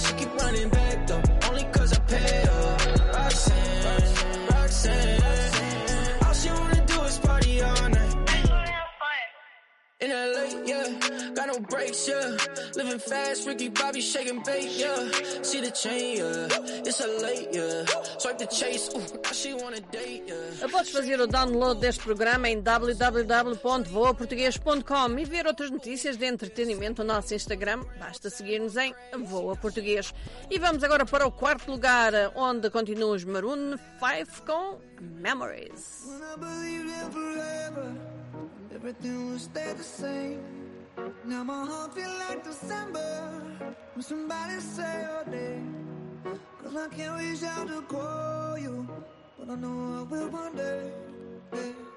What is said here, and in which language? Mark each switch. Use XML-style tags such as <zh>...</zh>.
<en>She keep running back though, only cause I pay her. Roxanne, Roxanne, Roxanne. All she wanna do is party all night. In LA, yeah, got no brakes, yeah. Living fast, Ricky Bobby shaking bait, yeah. See the chain, yeah. It's a late, yeah.</en> <pt>Podes fazer o download deste programa em www.voaportugues.com e ver outras notícias de entretenimento no nosso Instagram. Basta seguir-nos em Voa Português. E vamos agora para o quarto lugar, onde continua os Maroon 5 com Memories.</pt> <en>When I believed in forever, everything would stay the same. Now my heart feels like December, when somebody say your name. Cause I can't reach out to call you, but I know I will one day, hey.</en>